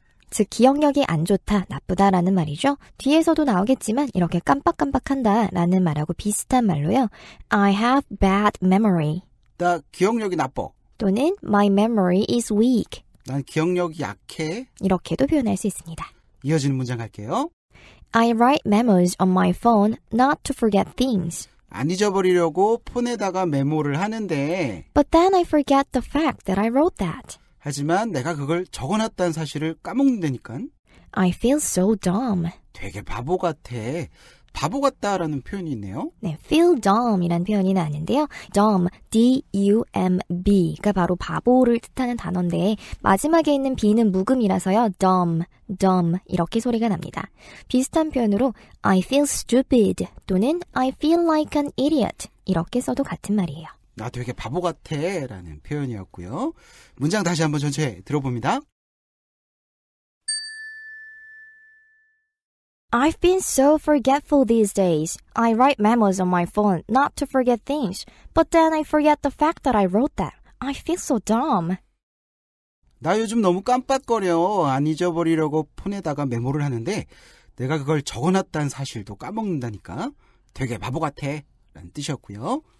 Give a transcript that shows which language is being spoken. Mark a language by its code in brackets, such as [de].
[ko] 즉 기억력이 안 좋다, 나쁘다 라는 말이죠. 뒤에서도 나오겠지만 이렇게 깜빡깜빡한다 라는 말하고 비슷한 말로요. [en] I have bad memory. [ko] 나 기억력이 나빠. 또는 [en] my memory is weak. [ko] 난 기억력이 약해. 이렇게도 표현할 수 있습니다. 이어지는 문장 갈게요. [en] I write memos on my phone not to forget things. [ko] 안 잊어버리려고 폰에다가 메모를 하는데. [en] But then I forget the fact that I wrote that. [ko] 하지만 내가 그걸 적어놨다는 사실을 까먹는다니깐. [en] I feel so dumb. [ko] 되게 바보 같아. 바보 같다라는 표현이 있네요. 네, feel dumb이라는 표현이 나는데요. dumb, D-U-M-B 가 바로 바보를 뜻하는 단어인데 마지막에 있는 B는 무음이라서요. dumb, dumb 이렇게 소리가 납니다. 비슷한 표현으로 [en] I feel stupid [ko] 또는 [en] I feel like an idiot [ko] 이렇게 써도 같은 말이에요. 나 되게 바보 같아 라는 표현이었고요. 문장 다시 한번 전체 들어봅니다. [en] I've been so forgetful these days. I write memos on my phone not to forget things. But then I forget the fact that I wrote that. I feel so dumb. [ko] 나 요즘 너무 깜빡거려. 안 잊어버리려고 폰에다가 메모를 하는데 내가 그걸 적어놨다는 사실도 까먹는다니까. 되게 바보 같아 라는 뜻이었고요.